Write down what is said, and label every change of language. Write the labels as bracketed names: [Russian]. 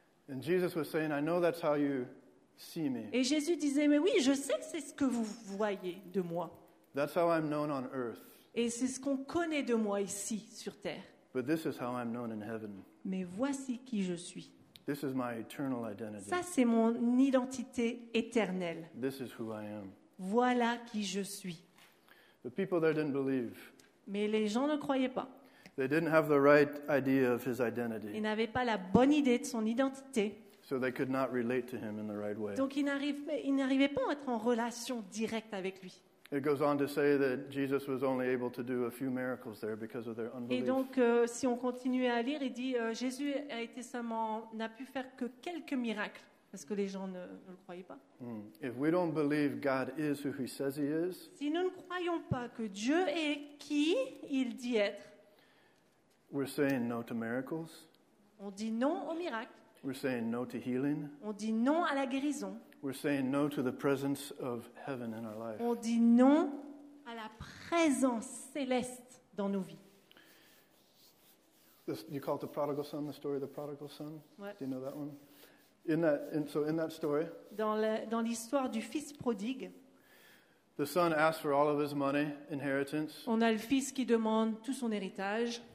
[English] And Jesus was saying, I know that's how you see me. [French] Et Jésus disait, mais oui, je sais que c'est ce que vous voyez de moi. [English] That's how I'm known on earth. [French] Et c'est ce qu'on connaît de moi ici, sur terre. [English] But this is how I'm known in heaven. [French] Mais voici qui je suis. [English] This is my eternal identity. [French] Ça, c'est mon identité éternelle. [English] This is who I am. [French] Voilà qui je suis. [English] The people there didn't believe. [French] Mais les gens ne croyaient pas. [English] They didn't have the right idea of his identity. [French] Ils n'avaient pas la bonne idée de son identité. [English] So they could not relate to him in the right way. [French] Donc ils n'arrivaient pas à être en relation directe avec lui. [English] It goes on to say that Jesus was only able to do a few miracles there because of their unbelief. [French] Et donc si on continue à lire, il dit Jésus n'a pu faire que quelques miracles parce que les gens ne le croyaient pas. Mm. [English] If we don't believe God is who he says he is. [French] Si nous ne croyons pas que Dieu est qui il dit être. [English] We're saying no to miracles. [French] On dit non aux miracles. [English] We're saying no to healing. [French] On dit non à la guérison. [English] We're saying no to the presence of heaven in our life. [French] On dit non à la présence céleste dans nos vies. [English] This, you call it the prodigal son, the story of the prodigal son? What? Do you know that one? In that story. [French] Dans l'histoire du fils prodigue. [English] The son asks for all of his money, inheritance. [French] On a le fils qui demande tout son héritage.